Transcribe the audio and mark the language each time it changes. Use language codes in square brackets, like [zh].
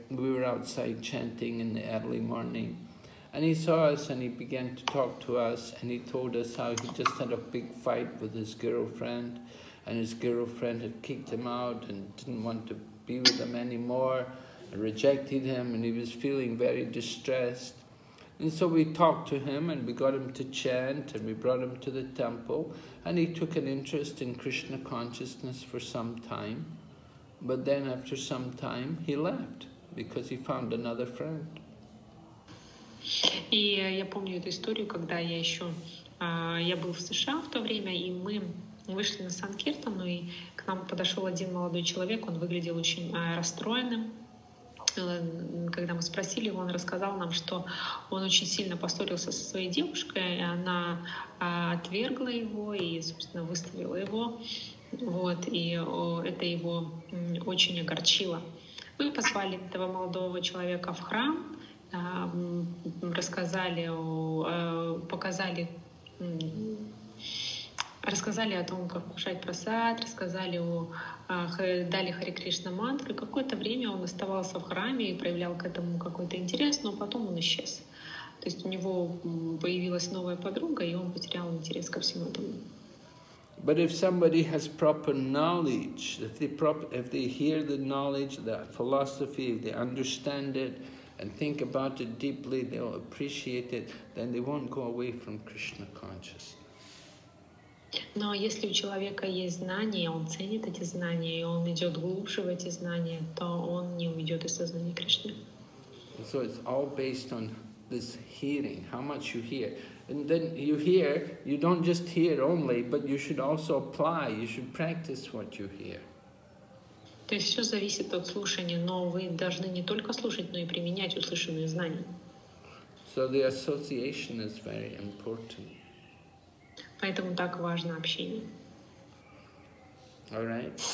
[en] We were outside chanting in the early morning, and he saw us and he began to talk to us, and he told us how he just had a big fight with his girlfriend, and his girlfriend had kicked him out and didn't want to be with him anymore, and rejected him, and he was feeling very distressed. And so we talked to him and we got him to chant and we brought him to the temple, and he took an interest in Krishna consciousness for some time, but then after some time he left because he found another friend. [ru] И я помню эту историю, когда я еще я был в США в то время, и мы вышли на Санкиртану, и к нам подошел один молодой человек, он выглядел очень расстроенным. Когда мы спросили его, он рассказал нам, что он очень сильно поссорился со своей девушкой, и она отвергла его и, собственно, выставила его. Вот, и это его очень огорчило. Мы позвали этого молодого человека в храм, рассказали о том, как кушать прасад, дали Хари Кришна мантру. Какое-то время он оставался в храме и проявлял к этому какой-то интерес, но потом он исчез. То есть у него появилась новая подруга, и он потерял интерес ко всему этому. [en] But if somebody has proper knowledge, if they hear the knowledge, that philosophy, if they understand it and think about it deeply, they'll appreciate it, then they won't go away from Krishna consciousness. [ru] Но если у человека есть знания, он ценит эти знания, и он идет глубже в эти знания, то он не уйдет из сознания Кришны. [en] So it's all based on this hearing, how much you hear. And then you hear, you don't just hear only, but you should also apply, you should practice what you hear. [ru] То есть все зависит от слушания, но вы должны не только слушать, но и применять услышанные знания. [en] So the association is very important. [ru] Поэтому так важно общение. [en] All right.